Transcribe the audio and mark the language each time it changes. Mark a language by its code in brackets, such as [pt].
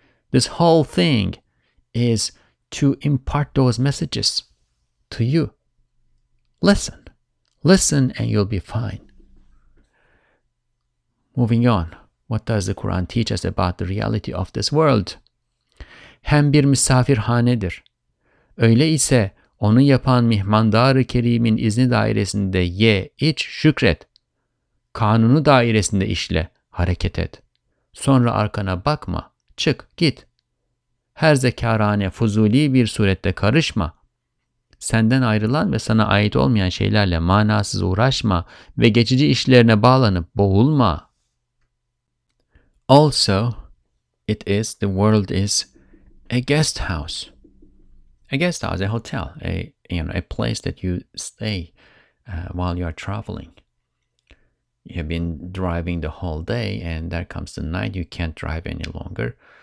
[en] This whole thing is to impart those messages to you. Listen. Listen and you'll be fine. Moving on. What does the Quran teach us about the reality of this world? [tr] Hem bir misafirhanedir. Öyle ise onu yapan mihmandar-ı kerimin izni dairesinde ye, iç, şükret. Kanunu dairesinde işle, hareket et. Sonra arkana bakma, çık, git. Her zekârâne fuzuli bir surette karışma. Senden ayrılan ve sana ait olmayan şeylerle manasız uğraşma ve geçici işlerine bağlanıp boğulma. [en] Also, the world is a guest house. A guest house, a hotel, a place that you stay while you are traveling. You have been driving the whole day and there comes the night, you can't drive any longer.